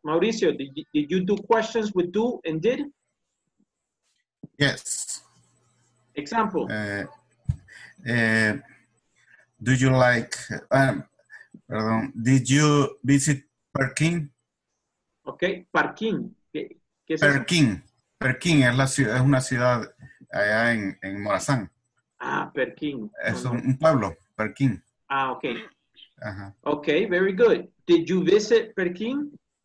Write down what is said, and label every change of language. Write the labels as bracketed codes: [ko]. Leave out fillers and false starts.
[en] Mauricio, did you do questions with do and did? Yes. Example. Do you like, pardon, did you visit parking? Okay, parking. ¿Qué [es] es Perkin. Eso? Perkin es la ciudad, es una ciudad allá en Morazán. Ah, Perkin. Es un pueblo, Perkin. [en] Ah, okay. Ajá. Okay, very good. Did you visit Perkin?